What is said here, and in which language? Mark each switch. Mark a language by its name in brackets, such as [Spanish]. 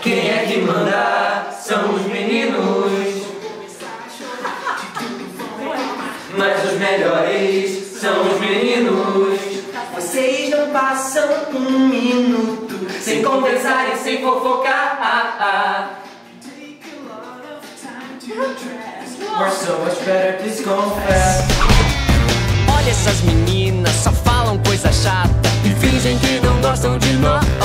[Portuguese] Quem é que manda? São os meninos. Mas os melhores são os meninos. Vocês não passam um minuto sem conversar e sem fofocar. [English] We're so much better, please confess. [Portuguese] Olha essas meninas, só falam coisa chata e fingem que não gostam de nós.